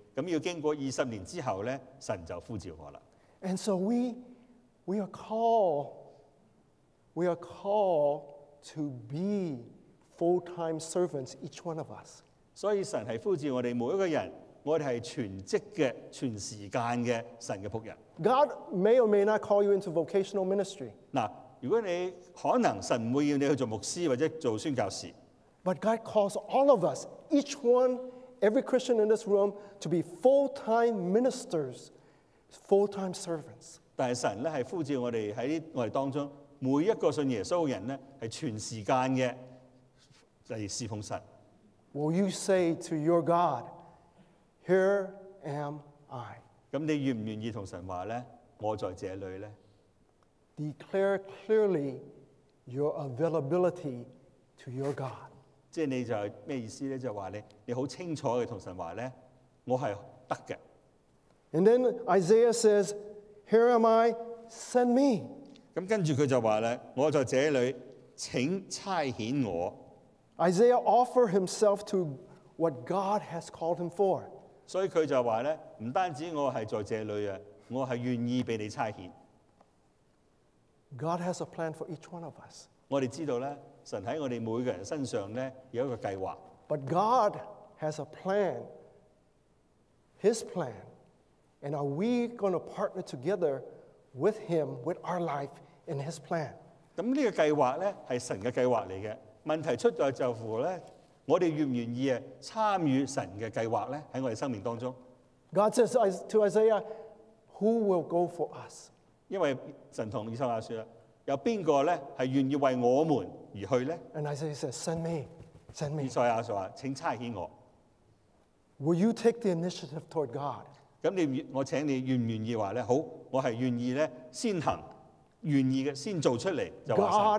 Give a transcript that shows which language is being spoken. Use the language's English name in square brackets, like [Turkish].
[Cantonese] 咁要經過20年之後咧，神就呼召我啦。 [English] And so we are called to be full-time servants, each one of us. [Cantonese] 所以神係呼召我哋每一個人，我哋係全職嘅、全時間嘅神嘅仆人。 [English] God may or may not call you into vocational ministry. [Cantonese] 嗱。如果你可能神唔會要你去做牧師或者做宣教士 [English] ，But God calls all of us, each one, every Christian in this room, to be full-time ministers, full-time servants. [Cantonese] 但係神咧係呼召我哋喺我哋當中每一個信耶穌嘅人咧係全時間嘅嚟侍奉神。 [English] Will you say to your God, "Here am I"? [Cantonese] 咁你願唔願意同神話咧？我在這裏咧？ [English] Declare clearly your availability to your God. [Cantonese] 即係你就係咩意思咧？就話你好清楚嘅同神話咧，我係得嘅。 [English] And then Isaiah says, "Here am I, send me." [Cantonese] 咁跟住佢就話咧，我在這裏，請差遣我。 [English] Isaiah offered himself to what God has called him for. [Cantonese] 所以佢就話咧，唔單止我係在這裏啊，我係願意被你差遣。 [English] God has a plan for each one of us. [Cantonese] 我哋知道咧，神喺我哋每個人身上咧有一個計劃。 [English] But God has a plan, His plan, and are we going to partner together with Him with our life in His plan? [Cantonese] 咁呢個計劃咧係神嘅計劃嚟嘅。問題出在就乎咧，我哋願唔願意啊參與神嘅計劃咧喺我哋生命當中 [English] ？God says to Isaiah, "Who will go for us?" [Cantonese] 因為神同以賽亞說啦，有邊個咧係願意為我們而去咧 [English] ？And Isaiah says, "Send me, send me." [Cantonese] 以賽亞就話：請差遣我。 [English] Will you take the initiative toward God？ [Cantonese] 咁你我請你願唔願意話咧？好，我係願意咧，先行，願意嘅先做出嚟就話。